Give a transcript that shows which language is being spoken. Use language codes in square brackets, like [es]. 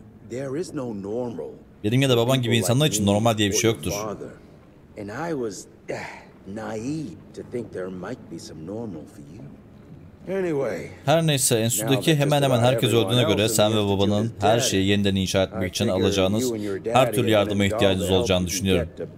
[en] There is no normal. [tr] Dedim ya da baban gibi insanlar için normal diye bir şey yoktur. [en] And I was naive to think there might be some normal for you. Anyway. [tr] Her neyse, enstitüdeki hemen hemen herkes öldüğüne göre sen ve babanın her şeyi yeniden inşa etmek için alacağınız her türlü yardıma ihtiyacınız olacağını düşünüyorum.